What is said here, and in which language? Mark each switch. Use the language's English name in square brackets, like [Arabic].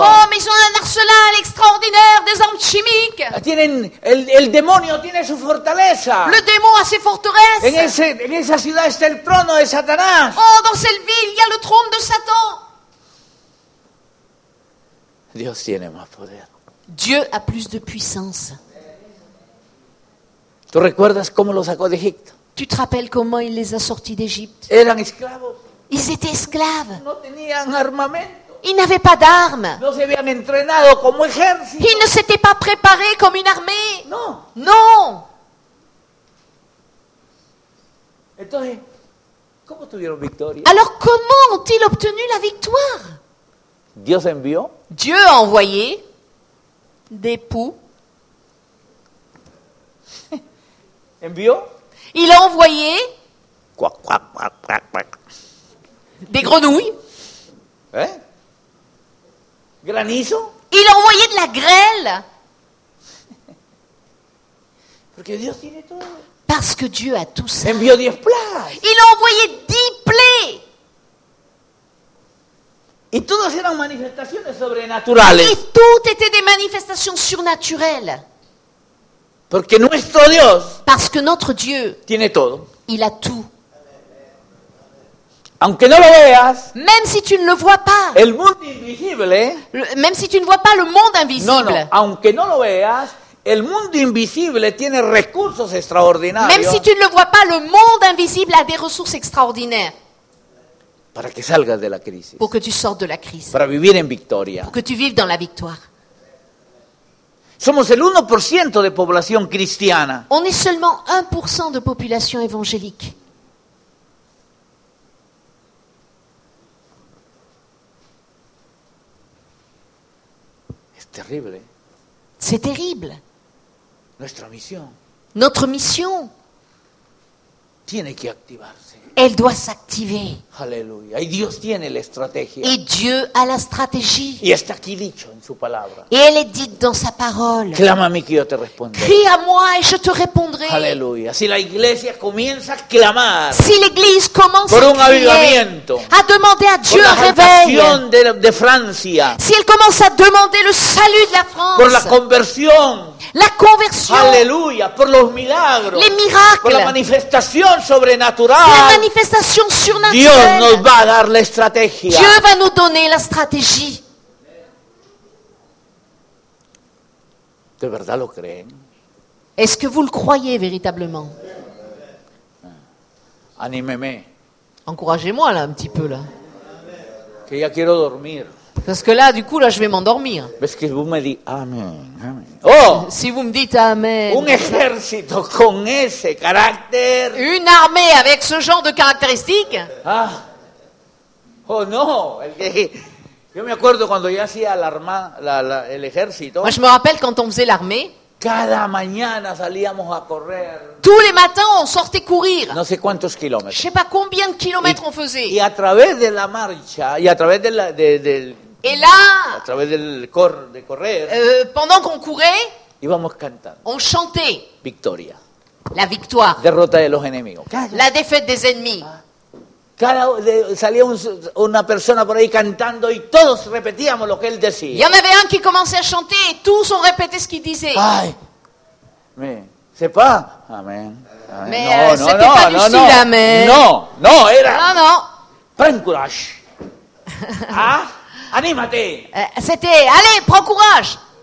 [French] Oh, mais ils ont un arsenal extraordinaire, des armes chimiques. [Spanish] El demonio tiene su fortaleza. [French] Le démon a ses forteresses. [Spanish] En esa ciudad está el trono de Satanás. [French] Oh, dans cette ville, il y a le trône de Satan. [Spanish] Dios tiene más poder. [French] Dieu a plus de puissance. [Spanish] ¿Tú recuerdas cómo lo sacó de Egipto? [French] Tu te rappelles comment il les a sortis d'Égypte? [Spanish] Eran esclavos. [French] Ils étaient esclaves. [Spanish] No tenían armamento. [French] Ils n'avaient pas d'armes. [Spanish] No se habían entrenado como ejército. [French] Ils ne s'étaient pas préparés comme une armée. [Spanish] No. [French] Non. [Spanish] Entonces, ¿cómo tuvieron victoria? [French] Alors comment ont-ils obtenu la victoire? [Spanish] Dios envió. [French] Dieu a envoyé des poux. [Spanish] Envió. [French] Il a envoyé quac, quac, quac, quac, quac. Des grenouilles. [Spanish] Hein? Granizo. [French] Il a envoyé de la grêle. [Spanish] Porque Dios tiene todo. [French] Parce que Dieu a tout ça. [Spanish] Envió 10 plagas. [French] Il a envoyé 10 plaies. [Spanish] Y todas eran manifestaciones sobrenaturales. [French] Et tout était des manifestations surnaturelles. [Spanish] Porque nuestro Dios, [French] parce que notre Dieu, [Spanish] tiene todo. [French] Il a tout. [Spanish] Aunque no lo veas, [French] même si tu ne le vois pas, [Spanish] el mundo invisible, [French] même si tu ne vois pas le monde invisible, [Spanish] no, aunque no lo veas, el mundo invisible tiene recursos extraordinarios. [French] Même si tu ne le vois pas, le monde invisible a des ressources extraordinaires. [Spanish] Para que salgas de la crisis. [French] Pour que tu sortes de la crise. [Spanish] Para vivir en victoria. [French] Pour que tu vives dans la victoire. [Spanish] Somos el 1% de población cristiana. [French] On est seulement 1% de population évangélique. [Spanish] Es terrible. [French] C'est terrible. [Spanish] Nuestra misión. [French] Notre mission. [Spanish] Tiene que activarse. [French] Elle doit s'activer. [Spanish] Aleluya. Y Dios tiene la estrategia. [French] Et Dieu a la stratégie. [Spanish] Y está aquí dicho en su palabra. [French] Et elle est dite dans sa parole. [Spanish] Clámame que yo te responderé. [French] Crie à moi et je te répondrai. [Spanish] Aleluya. Si la iglesia comienza a clamar. [French] Si l'église commence à crier. [Spanish] Por un avivamiento. [French] A demander à Dieu un réveil. [Spanish] Por la salvación de Francia. [French] Si elle commence à demander le salut de la France. [Spanish] Por la conversión. [French] La conversion. [Spanish] Aleluya. Por los milagros. [French] Les miracles. [Spanish] Por la manifestación sobrenatural. [French] La manifestation surnaturelle. [Spanish] Dios nos va a dar la estrategia. [French] Dieu va nous donner la stratégie. [Spanish] ¿De verdad lo creen? [French] Est-ce que vous le croyez véritablement? Animez-moi. Encouragez-moi là un petit peu là. [Spanish] Que ya quiero dormir. [French] Parce que là, du coup, là, je vais m'endormir. Parce que vous me dites amen, amen. Oh, si vous me dites amen. [Spanish] Un ejército con ese carácter. [French] Une armée avec ce genre de caractéristiques. Ah. Oh non. [Spanish] Yo me acuerdo cuando yo hacía el ejército. [French] Moi, je me rappelle quand on faisait l'armée. [Spanish] Cada mañana salíamos a correr. [French] Tous les matins, on sortait courir. [Spanish] No sé cuántos kilómetros. [French] Je sais pas combien de kilomètres on faisait. [Spanish] Y a través de la marcha y a través de la [French] Et là, [Spanish] a través del de correr, [French] pendant qu'on courait, [Spanish] íbamos cantando, [French] on chantait [Spanish] victoria, [French] la victoire, [Spanish] derrota de los enemigos, [French] la défaite des ennemis. [Spanish] Salía una persona por ahí cantando y todos repetíamos lo que él decía. [French] Il y en avait un qui commençait à chanter et tous ont répété ce qu'il disait. Ay, mais c'est pas, amen, amen. Mais, non, c'était non, pas non, du style, amen. Non, non, era. Non, non. Prends courage. Ah. [Spanish] Anímate. [French] C'était, allez, prends courage.